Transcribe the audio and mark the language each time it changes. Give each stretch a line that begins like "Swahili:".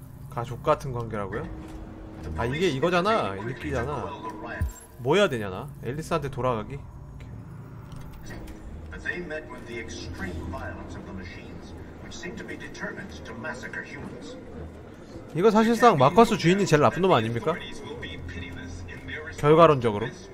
Korean: 가족 같은 관계라고요? 아 이게 이거잖아, 이끼잖아. 뭐 해야 되냐 나? 앨리스한테 돌아가기?
English: They met with the extreme violence of the machines, which seemed to be determined to massacre humans.
Korean: 이거 사실상 마커스 주인이 제일 나쁜 놈 아닙니까? 결과론적으로.